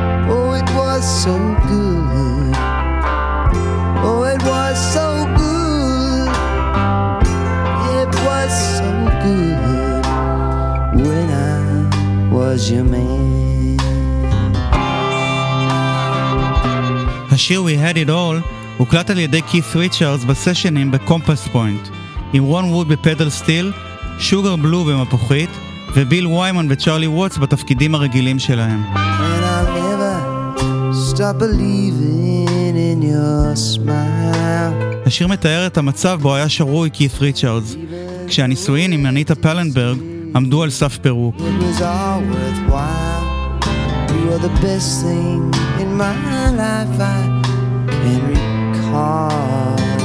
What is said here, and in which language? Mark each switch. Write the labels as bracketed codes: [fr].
[en] Oh, it was so good. Oh, it was so good. It was so good when I was your man. [he] השיר We Had It All הוקלט על ידי קית' ריצ'רדס בסשנים בקומפס פוינט, עם רון ווד בפדל סטיל, שוגר בלו במפוחית וביל ויימן וצ'רלי ווטס בתפקידים הרגילים שלהם. [en] And I'll never stop believing in your smile. [he] השיר מתאר את המצב בו היה שרוי קית' ריצ'רדס כשהנישואין עם אניטה פלנברג עמדו על סף פירוק. [en] It was all worthwhile. You are the best thing in my life I can recall.